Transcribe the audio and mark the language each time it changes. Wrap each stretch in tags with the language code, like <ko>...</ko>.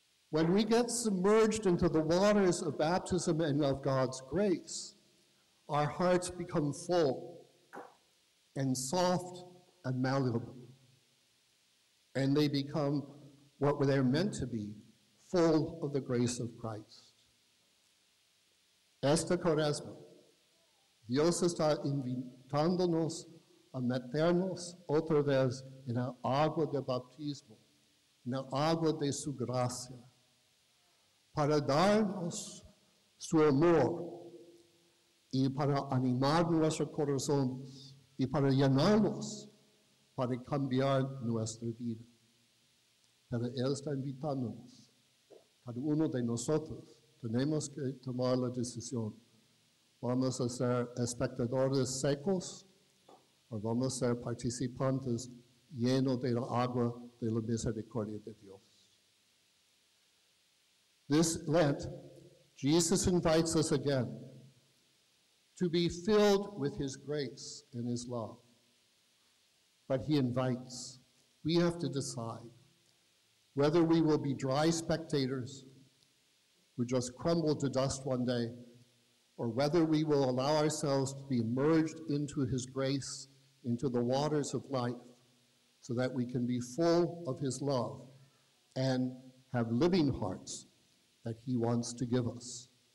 <en>When we get submerged into the waters of baptism and of God's grace, our hearts become full and soft and malleable. And they become what they're meant to be, full of the grace of Christ.</en> <es>Esta cuaresma, Dios está invitándonos a meternos otra vez en el agua del bautismo, en el agua de su gracia, para darnos su amor y para animar nuestros corazones y para llenarnos, para cambiar nuestra vida. Pero Él está invitándonos, cada uno de nosotros. Tenemos que tomar la decisión. ¿Vamos a ser espectadores secos o vamos a ser participantes llenos de la agua de la misericordia de Dios?</es> <en>This Lent, Jesus invites us again to be filled with his grace and his love. But he invites. We have to decide whether we will be dry spectators who just crumble to dust one day, or whether we will allow ourselves to be merged into his grace, into the waters of life, so that we can be full of his love and have living hearts that he wants to give us.</en>